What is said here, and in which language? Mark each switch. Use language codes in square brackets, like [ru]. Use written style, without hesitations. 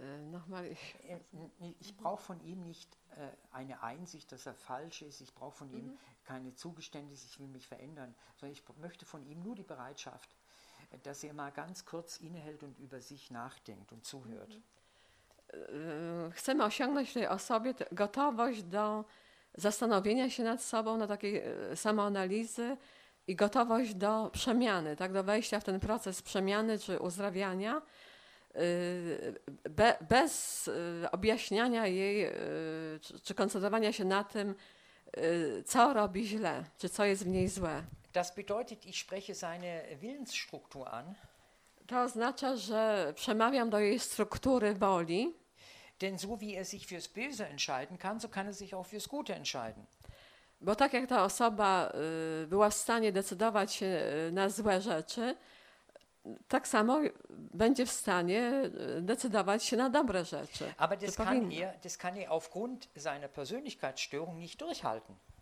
[de] Nochmal. Ich brauche von ihm nicht eine Einsicht, dass er falsch ist. Ich brauche von ihm keine Zugeständnis, ich will mich verändern. Sondern ich möchte von ihm nur die Bereitschaft, dass er mal ganz kurz innehält und über sich nachdenkt und zuhört. [pl] Chcemy osiągnąć w tej osobie gotowość do zastanowienia się nad sobą, na takiej samoanalizy i gotowość do przemiany, tak, do wejścia w ten proces przemiany czy uzdrawiania bez objaśniania jej czy koncentrowania się na tym, co robi źle, czy co jest w niej złe. [de] Das bedeutet, ich spreche seine Willensstruktur an. [pl] To oznacza, że przemawiam do jej struktury woli. [de] Denn so wie er sich fürs Böse entscheiden kann, so kann er sich auch fürs Gute entscheiden. [pl] Bo tak jak ta osoba była w stanie decydować się na złe rzeczy, tak samo będzie w stanie decydować się na dobre rzeczy. [de] Aber das kann er, aufgrund seiner Persönlichkeitsstörung nicht durchhalten.